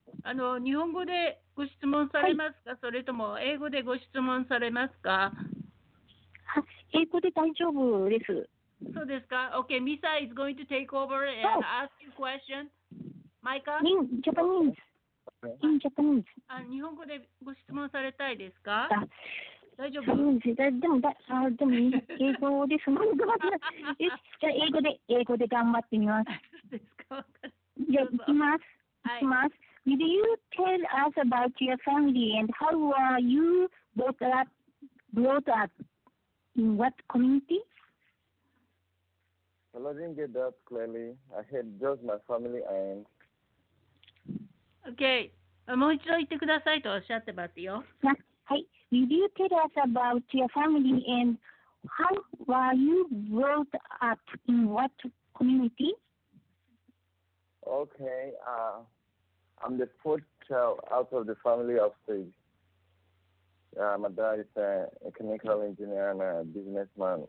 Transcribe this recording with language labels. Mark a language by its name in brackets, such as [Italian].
[Japanese] あの、日本語でご質問されますか、はい、それとも英語でご質問されますか？英語で大丈夫です。そうですか。 [English] Okay, Misa is going to take over and ask you questions. Maika? In Japanese. In Japanese. [Japanese] あ、日本語でご質問されたいですか？大丈夫？そうですね。でも英語ですもん。頑張ってください。じゃあ英語で頑張ってみます。ですか？じゃあ行きます。 [English] Did you tell us about your family and how were you brought up in what community? Well, I didn't get that clearly. I had just my family and... Okay. [Japanese] もう一度言ってくださいとおっしゃってますよ。はい。 [English] Will you tell us about your family and how were you brought up in what community? Okay. I'm the fourth child out of the family of six. My dad is a chemical engineer and a businessman.